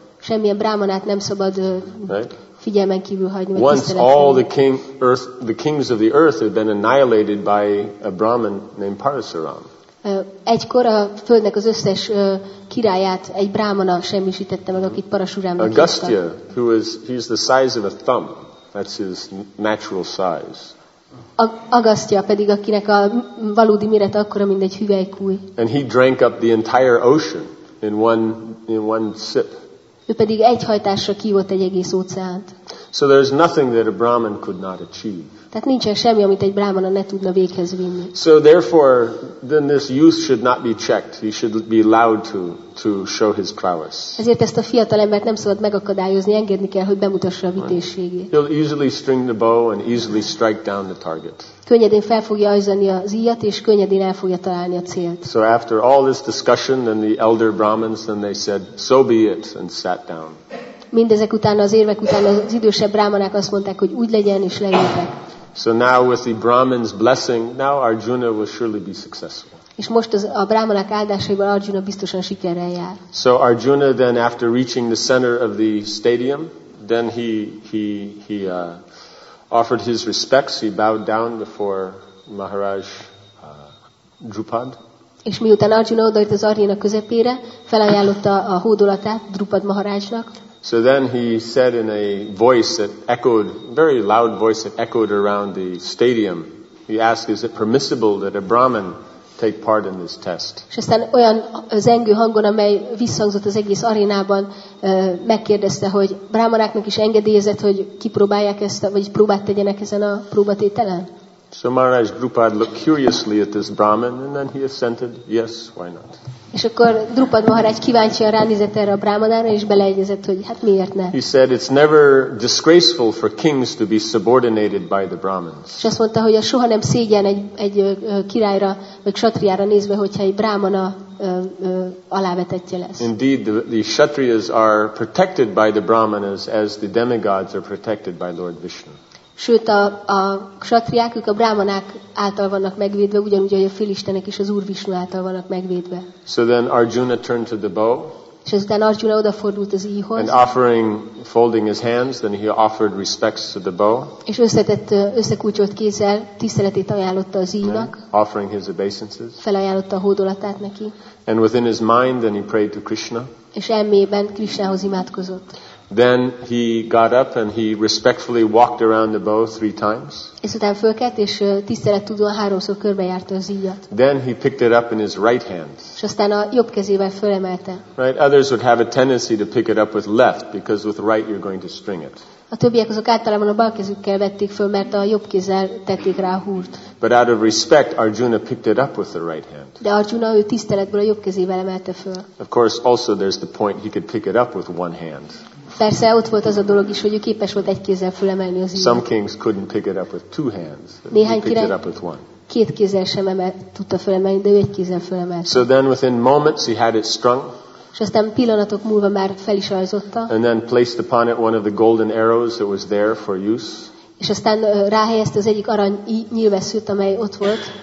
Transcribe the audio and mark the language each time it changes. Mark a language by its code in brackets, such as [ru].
[hu] Semmilyen brámanát nem szabad figyelmen kívül hagyni. [en] Once all the kings of the earth had been annihilated by a Brahmin named Parasuram. [hu] Egykor a földnek az összes királyát egy brámana semmisítette meg, akit Parasurámnak hívtak. [en] Agastya, he's the size of a thumb. That's his natural size. [hu] Agasztja pedig, akinek a valódi mérete akkora, mint egy hüvelykúj. [en] And he drank up the entire ocean in one sip. [hu] Ő pedig egy hajtásra kívott egy egész óceánt. [en] So there's nothing that a Brahman could not achieve. [hu] Tehát nincsen semmi, amit egy brámana ne tudna véghez vinni. [en] So therefore, then this youth should not be checked. He should be allowed to show his prowess. [hu] Ezért ezt a fiatalembert nem szabad megakadályozni, engedni kell, hogy bemutassa a vitézségét. [en] He'll easily string the bow and easily strike down the target. [hu] Könnyedén fel fogja ajzani az íjat, és könnyedén el fogja találni a célt. [en] So after all this discussion, then the elder Brahmins, then they said, so be it, and sat down. [hu] Mindezek után, az érvek után az idősebb brámanák azt mondták, hogy úgy legyen, és leültek. [en] So now with the Brahman's blessing, now Arjuna will surely be successful. [hu] És most a brámanák áldásaival Arjuna biztosan sikerrel jár. [en] So Arjuna then after reaching the center of the stadium, then he offered his respects, he bowed down before Maharaj Drupad. [hu] És miután Arjuna odaért az aréna közepére, felajánlotta a hódolatát Drupad Maharajnak. [en] So then he said in a voice that echoed, very loud voice that echoed around the stadium, he asked, is it permissible that a Brahmin take part in this test? [hu] És aztán olyan zengő hangon, amely visszhangzott az egész arénában, megkérdezte, hogy brahmanáknak is engedélyezett, hogy kipróbálják ezt, vagy próbát tegyenek ezen a próbatételen? [en] So Maharaj Drupad looked curiously at this Brahmin, and then he assented, yes, why not? [hu] És akkor Drupad Maharaj kíváncsian ránézett erre a brahmanára, és beleegyezett, hogy hát miért ne? [en] He said, it's never disgraceful for kings to be subordinated by the Brahmins. [hu] És azt mondta, hogy soha nem szégyen egy királyra, vagy kshatriára nézve, hogyha egy brahmana alávetettje lesz. [en] Indeed, the kshatriyas are protected by the brahmanas as the demigods are protected by Lord Vishnu. [hu] Sőt, a kshatriák, ők a brámanák által vannak megvédve, ugyanúgy, ahogy a félistenek is az Úr Vishnu által vannak megvédve. [en] So then Arjuna turned to the bow. [hu] És ezután Arjuna odafordult az íjhoz. [en] And offering, folding his hands, then he offered respects to the bow. [hu] És összekulcsolt kézzel tiszteletét ajánlotta az íjnak. [en] Offering his obeisances. [hu] Felajánlotta a hódolatát neki. [en] And within his mind, then he prayed to Krishna. [hu] És elmében Krishnához imádkozott. [en] Then he got up and he respectfully walked around the bow 3 times. [hu] Ezután fölkelt és tisztelettudóan háromszor körbejárta az íjat. [en] Then he picked it up in his right hand. [hu] És aztán a jobb kezével fölemelte. [en] Right, others would have a tendency to pick it up with left because with right you're going to string it. [hu] A többiek azok általában a bal kezükkel vették föl, mert a jobb kézzel tették rá a húrt. [en] But out of respect, Arjuna picked it up with the right hand. [hu] De Arjuna ő tiszteletből a jobb kezével emelte föl. [en] Of course, also there's the point he could pick it up with one hand. [hu] Persze ott volt az a dolog is, hogy ő képes volt egy kézzel fölemelni az íjat. [en] Some kings couldn't pick it up with two hands. [hu] Néhány király két kézzel sem tudta fölemelni, de ő egy kézzel fölemelte. [en] So then within moments he had it strung. [hu] És aztán pillanatok múlva már fel is ajzotta. [en] And then placed upon it one of the golden arrows that was there for use. [hu] És aztán ráhelyezte az egyik arany nyilvesszőt, amely ott volt.